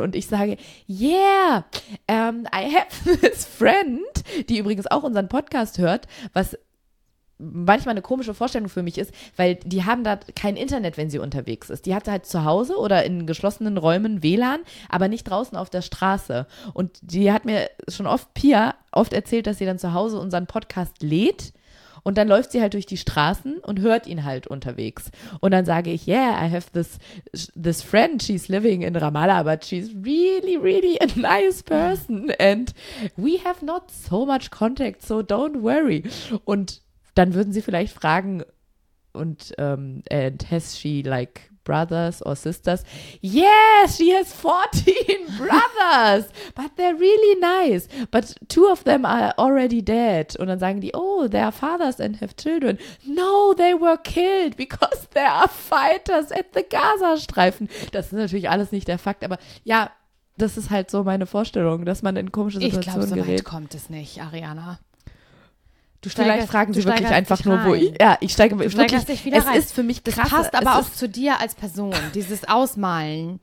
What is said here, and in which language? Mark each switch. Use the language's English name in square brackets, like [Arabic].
[German] Und ich sage, [English] yeah, I have this friend, [German] die übrigens auch unseren Podcast hört, was manchmal eine komische Vorstellung für mich ist, weil die haben da kein Internet, wenn sie unterwegs ist. Die hat halt zu Hause oder in geschlossenen Räumen WLAN, aber nicht draußen auf der Straße. Und die hat mir schon oft, Pia, oft erzählt, dass sie dann zu Hause unseren Podcast lädt. Und dann läuft sie halt durch die Straßen und hört ihn halt unterwegs. Und dann sage ich, [English] yeah, I have this friend, she's living in Ramallah, but she's really, really a nice person. And we have not so much contact, so don't worry. [German] Und dann würden sie vielleicht fragen, und [English] and has she like brothers or sisters? Yes, she has 14 brothers, but they're really nice. But 2 of them are already dead. [German] Und dann sagen die, [English] oh, they are fathers and have children. No, they were killed because they are fighters at the Gazastreifen. [German] Das ist natürlich alles nicht der Fakt, aber ja, das ist halt so meine Vorstellung, dass man in komische Situationen gerät. Ich glaube, so weit kommt es nicht, Ariana. Du steigerst, vielleicht fragen sie wirklich einfach nur, wo ich. Ja, ich steige wirklich. Dich wieder es rein. Ist für mich krass. Das passt aber auch zu dir als Person, dieses Ausmalen.